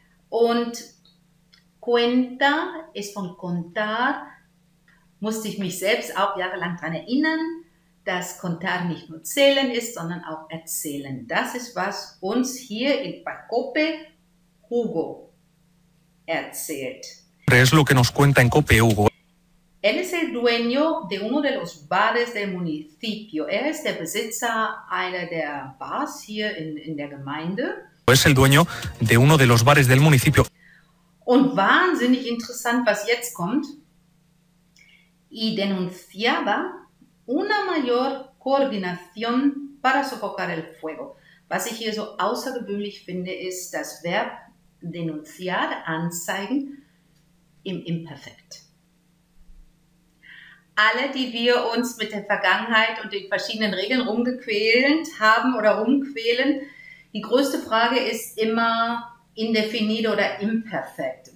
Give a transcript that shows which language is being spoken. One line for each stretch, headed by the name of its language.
German: Und cuenta ist von contar. Musste ich mich selbst auch jahrelang daran erinnern, dass Contar nicht nur zählen ist, sondern auch erzählen. Das ist, was uns hier in Pacope Hugo erzählt.
Spanish: Es lo que nos cuenta en COPE, Hugo. Él es el dueño de uno de los bares del municipio. Él es el
German: Besitzer einer der Bars hier in der Gemeinde.
Spanish: Es el dueño de uno de los bares del municipio.
German: Und wahnsinnig interessant, was jetzt kommt.
Spanish: Y denunciaba una mayor coordinación para sofocar el fuego.
German: Was ich hier so außergewöhnlich finde, ist das Verb denunciar, anzeigen, im Imperfekt. Alle, die wir uns mit der Vergangenheit und den verschiedenen Regeln rumgequält haben oder rumquälen, die größte Frage ist immer indefinido oder imperfekt.